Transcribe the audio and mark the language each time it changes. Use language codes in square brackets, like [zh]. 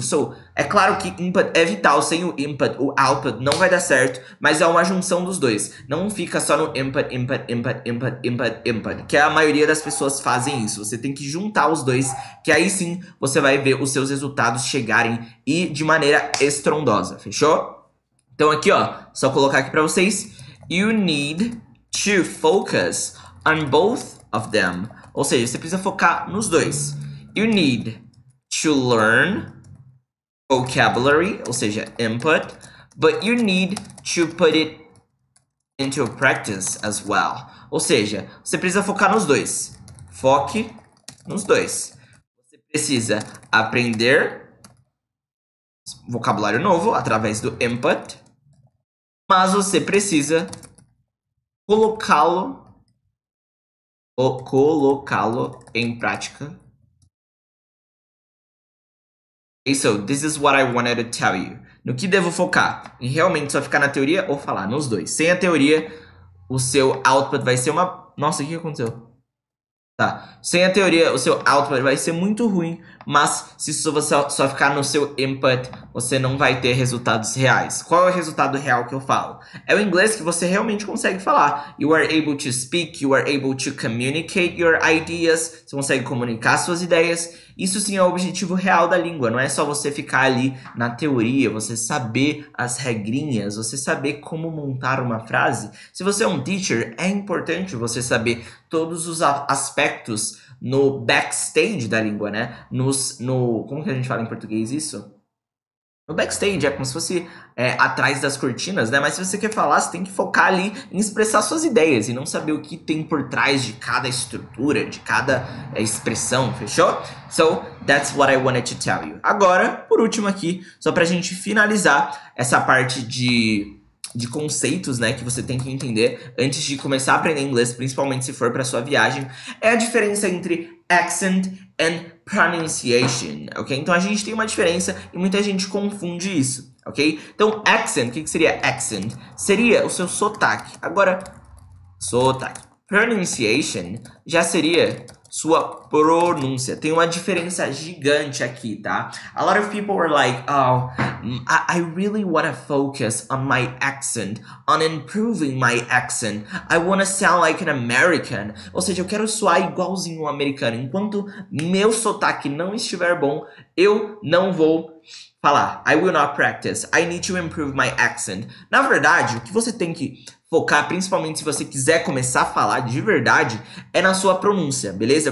[pt] So, é claro que input é vital, sem o input, o output não vai dar certo, mas é uma junção dos dois. Não fica só no input, input, input, input, input, input, que a maioria das pessoas fazem isso. Você tem que juntar os dois, que aí sim você vai ver os seus resultados chegarem e de maneira estrondosa, fechou? Então aqui, ó, só colocar aqui para vocês. [en] You need to focus on both of them. [pt] Ou seja, você precisa focar nos dois. [en] You need to learn vocabulary, [pt] ou seja, [en] input, but you need to put it into practice as well. [pt] Ou seja, você precisa focar nos dois. Foque nos dois. Você precisa aprender vocabulário novo através do input. Mas você precisa colocá-lo ou colocá-lo em prática. [en] Okay, so this is what I wanted to tell you. [pt] No que devo focar? Em realmente só ficar na teoria ou falar? Nos dois. Sem a teoria, o seu output vai ser uma. Nossa, o que aconteceu? Tá. Sem a teoria, o seu output vai ser muito ruim. Mas se você só ficar no seu input, você não vai ter resultados reais. Qual é o resultado real que eu falo? É o inglês que você realmente consegue falar. [en] You are able to speak, you are able to communicate your ideas. [pt] Você consegue comunicar suas ideias. Isso sim é o objetivo real da língua. Não é só você ficar ali na teoria, você saber as regrinhas, você saber como montar uma frase. Se você é um teacher, é importante você saber todos os aspectos no backstage da língua, né? Como que a gente fala em português isso? No backstage, é como se fosse atrás das cortinas, né? Mas se você quer falar, você tem que focar ali em expressar suas ideias e não saber o que tem por trás de cada estrutura, de cada expressão, fechou? [en] So, that's what I wanted to tell you. [pt] Agora, por último aqui, só pra gente finalizar essa parte de conceitos, né, que você tem que entender antes de começar a aprender inglês, principalmente se for para sua viagem, é a diferença entre accent and pronunciation, ok? Então a gente tem uma diferença e muita gente confunde isso, ok? Então accent, o que que seria accent? Seria o seu sotaque. Agora, sotaque. Pronunciation já seria sua pronúncia. Tem uma diferença gigante aqui, tá? [en] A lot of people are like, oh, I really wanna focus on my accent, on improving my accent. I wanna sound like an American. [pt] Ou seja, eu quero soar igualzinho um americano. Enquanto meu sotaque não estiver bom, eu não vou falar. [en] I will not practice. I need to improve my accent. [pt] Na verdade, o que você tem que focar, principalmente se você quiser começar a falar de verdade, é na sua pronúncia, beleza?